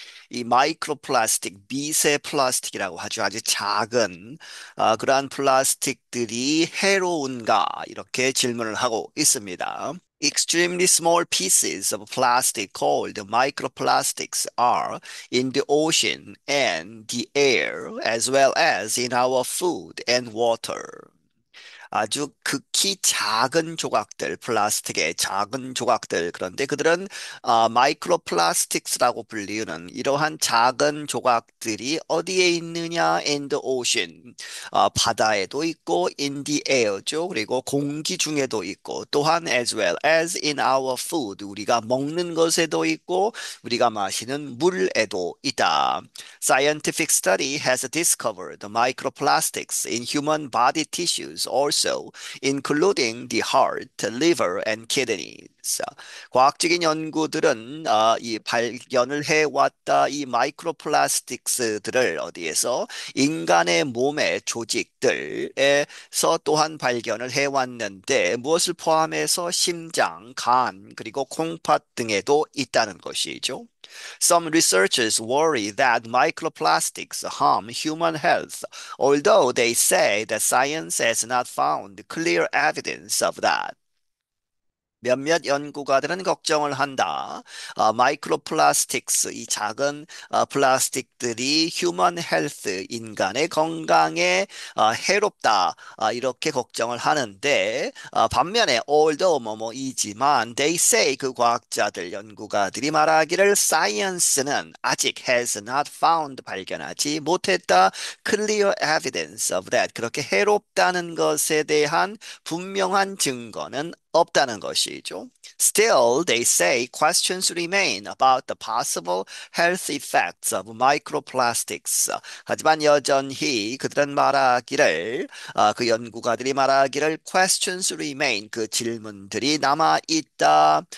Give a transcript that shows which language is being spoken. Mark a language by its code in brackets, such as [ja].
[ko] 이 마이크로 플라스틱, 미세 플라스틱이라고 하죠. 아주 작은 그러한 플라스틱들이 해로운가? 이렇게 질문을 하고 있습니다. [en] Extremely small pieces of plastic called microplastics are in the ocean and the air, as well as in our food and water. [ko] 아주 극히 작은 조각들, 플라스틱의 작은 조각들. 그런데 그들은 마이크로 플라스틱스라고 불리우는 이러한 작은 조각들이 어디에 있느냐? [en] In the ocean. [ko] 바다에도 있고, [en] in the air죠. [ko] 그리고 공기 중에도 있고, 또한 [en] as well as in our food. [ko] 우리가 먹는 것에도 있고, 우리가 마시는 물에도 있다. [en] Scientific study has discovered microplastics in human body tissues also, including the heart, liver, and kidneys. [ko] 과학적인 연구들은 이 발견을 해왔다. 이 마이크로 플라스틱스들을 어디에서 인간의 몸의 조직들에서 또한 발견을 해왔는데 무엇을 포함해서 심장, 간, 그리고 콩팥 등에도 있다는 것이죠. [en] Some researchers worry that microplastics harm human health, although they say that science has not found clear evidence of that. [ko] 몇몇 연구가들은 걱정을 한다. 마이크로 플라스틱스, 이 작은 플라스틱들이 휴먼 헬스, 인간의 건강에 해롭다. 이렇게 걱정을 하는데, 반면에 although 뭐뭐이지만, [en] they say [ko] 그 과학자들, 연구가들이 말하기를 science는 아직 [en] has not found, [ko] 발견하지 못했다. [en] clear evidence of that. [ko] 그렇게 해롭다는 것에 대한 분명한 증거는 없다는 것이죠. [en] Still, they say questions remain about the possible health effects of microplastics. [ko] 하지만 여전히 그들은 말하기를, 그 연구가들이 말하기를 [en] questions remain, [ko] 그 질문들이 남아 있다.